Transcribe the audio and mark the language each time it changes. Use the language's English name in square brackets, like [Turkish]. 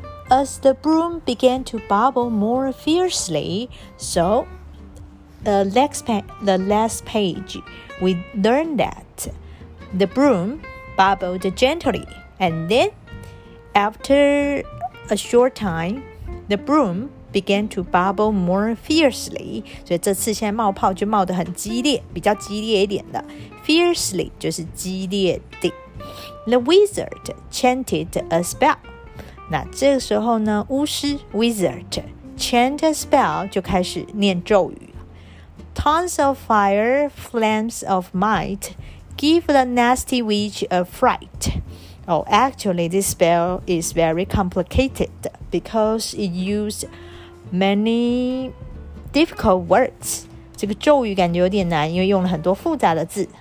[English] As the broom began to bubble more fiercely, so the last page, we learned that the broom bubbled gently. And then, after a short time, the broom began to bubble more fiercely. [Chinese] 所以这次现在冒泡就冒得很激烈，比较激烈一点的。 [English] Fiercely [Chinese] 就是激烈地。 [English] The wizard chanted a spell. [Chinese] 那这个时候呢，巫师 [English] wizard chant a spell [Chinese] 就开始念咒语。 [English] Tons of fire, flames of might, give the nasty witch a fright. Oh, actually, this spell is very complicated because it used many difficult words. [Chinese] 这个咒语感觉有点难，因为用了很多复杂的字。